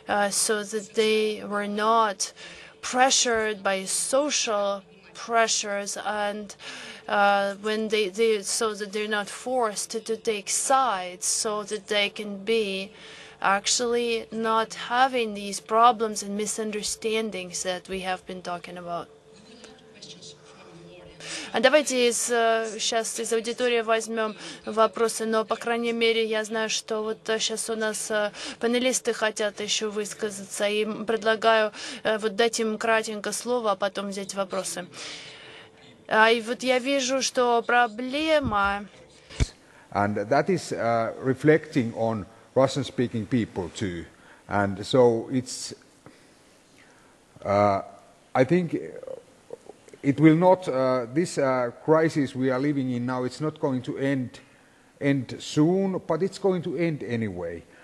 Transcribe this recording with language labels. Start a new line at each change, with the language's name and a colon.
English: so that they were not pressured by social pressures and so that they're not forced to take sides, so that they can be actually not having these problems and misunderstandings that we have been talking about.
Russian: А давайте сейчас из аудитории возьмем вопросы, но по крайней мере я знаю, что вот сейчас у нас панелисты хотят еще высказаться, и предлагаю вот дать им кратенько слово, а потом взять вопросы. И вот я вижу, что проблема.
English: And that is reflecting on Russian-speaking people too, and so it's. I think it will not, this crisis we are living in now, it's not going to end soon, but it's going to end anyway.